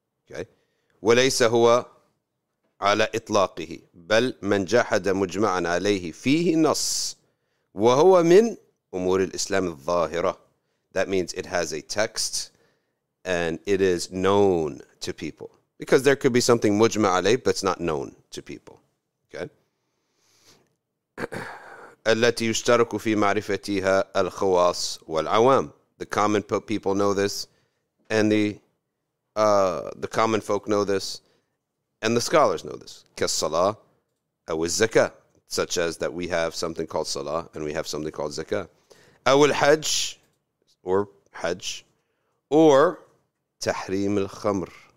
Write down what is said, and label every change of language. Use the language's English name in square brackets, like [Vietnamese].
[Arabic] Okay. وَلَيْسَ هُوَ عَلَىٰ إِطْلَاقِهِ بَلْ مَنْ جَحَدَ مُجْمَعًا عَلَيْهِ فِيهِ نَصْ وَهُوَ مِنْ أُمُورِ الْإِسْلَامِ الظَّاهِرَةِ. [English] That means it has a text and it is known to people. Because there could be something mujma' alayh, but it's not known to people. Okay? [Arabic] التي يشترك في معرفتها الخواص والعوام. [English] The common people know this, and the common folk know this, and the scholars know this. [Arabic] كالصلاه أو الزكاة. [English] Such as that we have something called salah, and we have something called zakah. [Arabic] أو الحج, or حج, or تحريم الخمر.